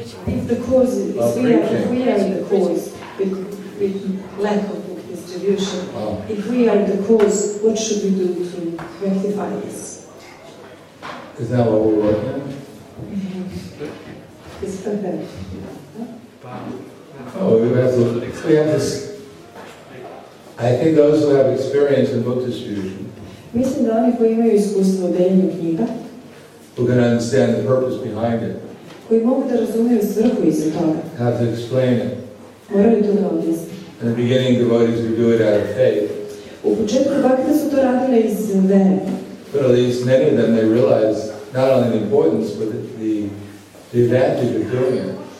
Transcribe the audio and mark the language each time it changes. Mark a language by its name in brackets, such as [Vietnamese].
[English] If the cause is, if we are the cause with lack of book distribution, if we are the cause, what should we do to rectify this? Is that what we're working on? It's perfect. Oh, we have to, I think those who have experience in book distribution, [Serbian] mislim da oni koji imaju iskustvo u deljenju knjiga, [English] we're going to understand the purpose behind it. [Serbian] koji mogu da razumiju svrhu iza toga. [English] Have to explain it. [Serbian] Moraju to da objasni. [English] In the beginning, devotees would do it out of faith. [Serbian] U početku, bhakti su to radile iz vere. [English] But at least many of them, they realized not only the importance, but the advantage of doing it.